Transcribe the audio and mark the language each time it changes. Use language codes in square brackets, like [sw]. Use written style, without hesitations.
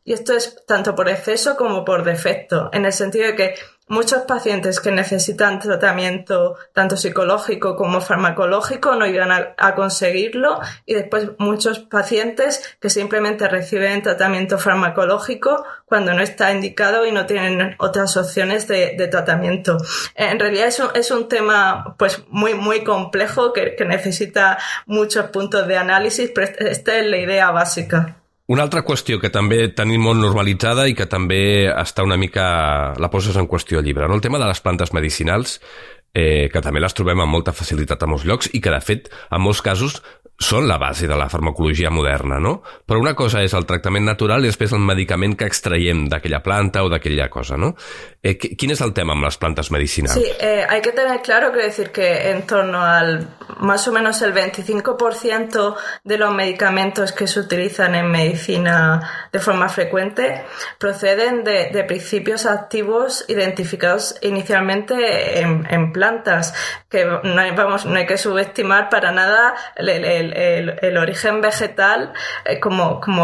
[es] Y esto es tanto por exceso como por defecto, en el sentido de que muchos pacientes que necesitan tratamiento tanto psicológico como farmacológico no llegan a conseguirlo, y después muchos pacientes que simplemente reciben tratamiento farmacológico cuando no está indicado y no tienen otras opciones de tratamiento. En realidad es un tema pues muy muy complejo que necesita muchos puntos de análisis, pero esta es la idea básica. [ca] Una altra qüestió que també tenim molt normalitzada i que també està una mica la poses en qüestió al llibre, no? El tema de les plantes medicinals. que també les trobem amb molta facilitat a molts llocs i que, de fet, en molts casos són la base de la farmacologia moderna, no? Però una cosa és el tractament natural i després el medicament que extraiem d'aquella planta o d'aquella cosa, no? Quin és el tema amb les plantes medicinals? [es] Sí, hay que tener claro que decir que en torno al más o menos el 25% de los medicamentos que se utilizan en medicina de forma frecuente proceden de principios activos identificados inicialmente en plantas, que no hay que subestimar para nada el origen vegetal como